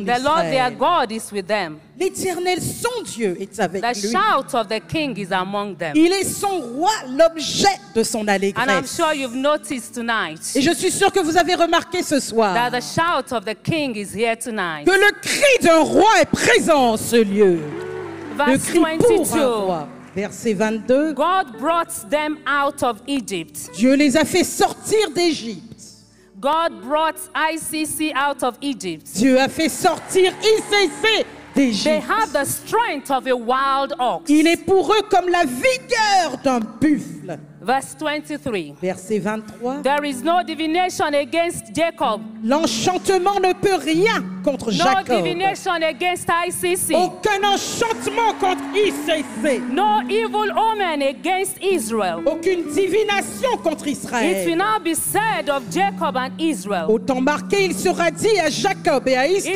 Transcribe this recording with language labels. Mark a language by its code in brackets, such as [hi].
[en] Israël. The Lord their God is with them. [fr] L'Éternel son Dieu est avec [en] the [fr] lui. [en] The shout of the king is among them. [fr] Il est son roi, l'objet de son allégresse. [en] And I'm sure you've noticed tonight. [fr] Et je suis sûr que vous avez remarqué ce soir. [en] That the shout of the king is here tonight. [fr] Que le cri d'un roi est présent en ce lieu. [en] Verse [fr] le cri [en] 22. [fr] Pour un roi. Verset 22. [en] God brought them out of Egypt. [fr] Dieu les a fait sortir d'Égypte. [en] God brought ICC out of Egypt. [fr] Dieu a fait sortir ICC d'Égypte. [en] They have the strength of a wild ox. [fr] Il est pour eux comme la vigueur d'un buffle. [en] Verse 23. [fr] Verset 23. [en] There is no divination against Jacob. [fr] L'enchantement ne peut rien contre Jacob. [en] No divination against ICC. [fr] Aucun enchantement contre ICC. [en] No evil omen against Israel. [fr] Aucune divination contre Israël. [en] It will now be said of Jacob and Israel. [fr] Autant marqué, il sera dit à Jacob et à Israël.